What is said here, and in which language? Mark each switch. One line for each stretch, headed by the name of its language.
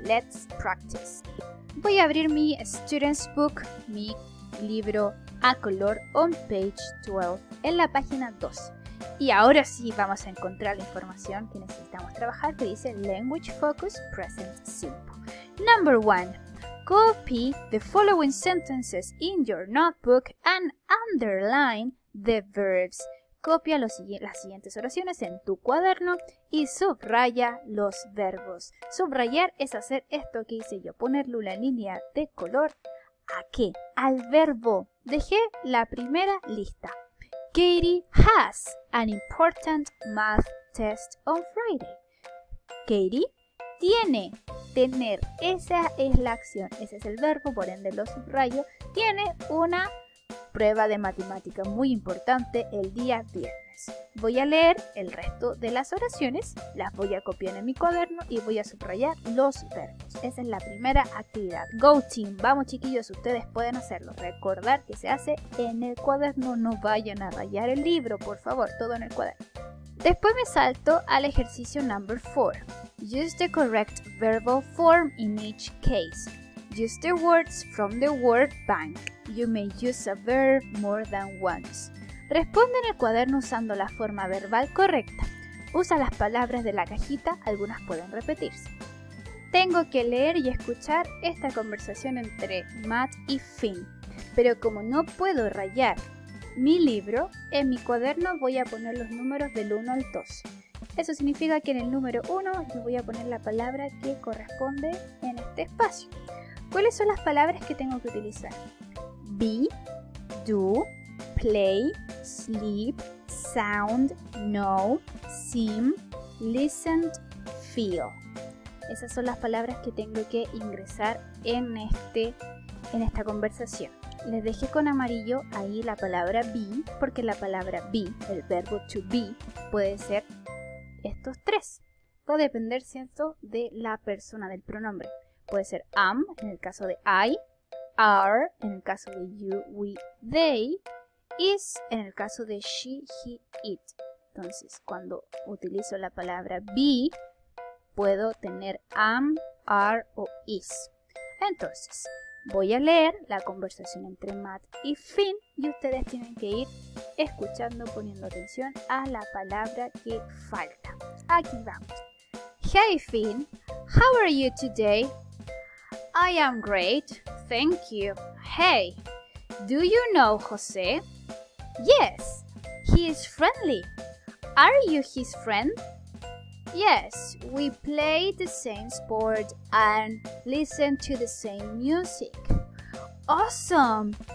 English: Let's practice.
Spanish: Voy a abrir mi
English: students book,
Spanish: mi libro a color,
English: on page 12,
Spanish: en la página 12. Y ahora sí vamos a encontrar la información que necesitamos trabajar, que dice
English: Language Focus Present Simple. Number 1. Copy the following sentences in your notebook and underline the verbs.
Spanish: Copia las siguientes oraciones en tu cuaderno y subraya los verbos. Subrayar es hacer esto que hice yo, ponerle una línea de color. ¿A qué? Al verbo. Dejé la primera lista.
English: Katie has an important math test on Friday.
Spanish: Katie tiene, tener, esa es la acción, ese es el verbo, por ende lo subrayo. Tiene una prueba de matemática muy importante el día viernes. Voy a leer el resto de las oraciones, las voy a copiar en mi cuaderno y voy a subrayar los verbos. Esa es la primera actividad.
English: Go team,
Spanish: vamos chiquillos, ustedes pueden hacerlo. Recordar que se hace en el cuaderno, no vayan a rayar el libro, por favor, todo en el cuaderno. Después me salto al ejercicio
English: number 4. Use the correct verbal form in each case. Use the words from the word bank. You may use a verb more than once.
Spanish: Responde en el cuaderno usando la forma verbal correcta. Usa las palabras de la cajita, algunas pueden repetirse. Tengo que leer y escuchar esta conversación entre Matt y Finn, pero como no puedo rayar mi libro, en mi cuaderno voy a poner los números del 1 al 12. Eso significa que en el número 1 yo voy a poner la palabra que corresponde en este espacio. ¿Cuáles son las palabras que tengo que utilizar?
English: Be, do, play, sleep, sound, know, seem, listen, feel.
Spanish: Esas son las palabras que tengo que ingresar en esta conversación. Les dejé con amarillo ahí la palabra be, porque la palabra be, el verbo to be, puede ser estos tres. Va a depender, ¿cierto?, de la persona, del pronombre. Puede ser am, en el caso de I, are, en el caso de you, we, they, is, en el caso de she, he, it. Entonces, cuando utilizo la palabra be, puedo tener am, are o is. Entonces, voy a leer la conversación entre Matt y Finn y ustedes tienen que ir escuchando, poniendo atención a la palabra que falta. Aquí vamos.
English: Hey Finn, how are you today? I am great, thank you. Hey, Do you know José? Yes, he is friendly. Are you his friend? Yes, we play the same sport and listen to the same music. Awesome!